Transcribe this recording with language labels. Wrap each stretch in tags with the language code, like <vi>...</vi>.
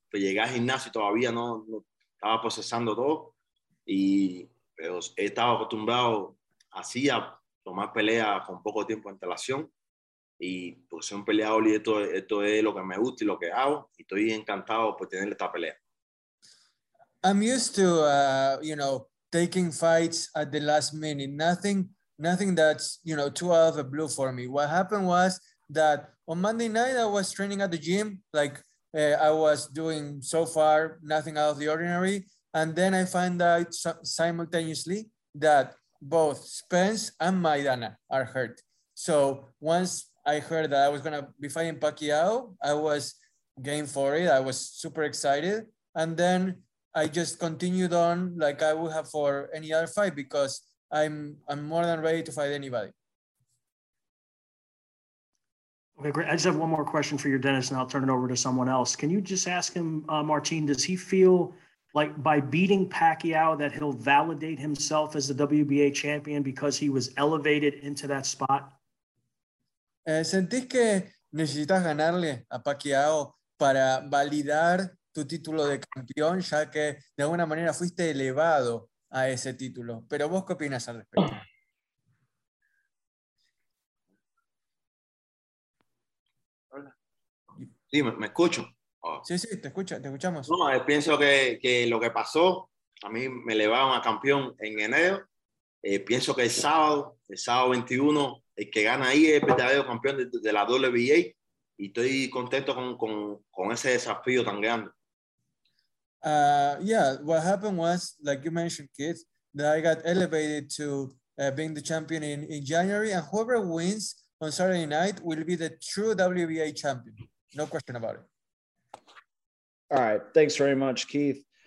<es>Pues llegué al gimnasio y todavía no estaba procesando todo, pero he estado acostumbrado así a tomar pelea con poco tiempo de antelación. Y pues soy un peleador y esto es lo que me gusta y lo que hago y estoy encantado por tener esta pelea.</es> <en>I'm used to taking fights at the last minute. Nothing that's too out of the blue for me. What happened was that on Monday night I was training at the gym, I was doing so far nothing out of the ordinary, and then I find out simultaneously that both Spence and Maidana are hurt. So once I heard that I was going to be fighting Pacquiao, I was game for it. I was super excited. And then I just continued on like I would have for any other fight because I'm more than ready to fight anybody. Okay, great. I just have one more question for Yordenis and I'll turn it over to someone else. Can you just ask him, Martin, does he feel like by beating Pacquiao that he'll validate himself as the WBA champion because he was elevated into that spot?</en> <es>¿Sentís que necesitas ganarle a Pacquiao para validar tu título de campeón, ya que de alguna manera fuiste elevado a ese título? ¿Pero vos qué opinas al respecto? Hola. Sí, me escucho. Oh. Sí, te escucho, te escuchamos. No, pienso que lo que pasó, a mí me elevaron a campeón en enero. Pienso que el sábado 21, el que gana ahí es el verdadero campeón de la WBA y estoy contento con ese desafío tan grande.</es> <en>What happened was, like you mentioned, Keith, that I got elevated to being the champion in January, and whoever wins on Saturday night will be the true WBA champion. No question about it. All right. Thanks very much, Keith.</en>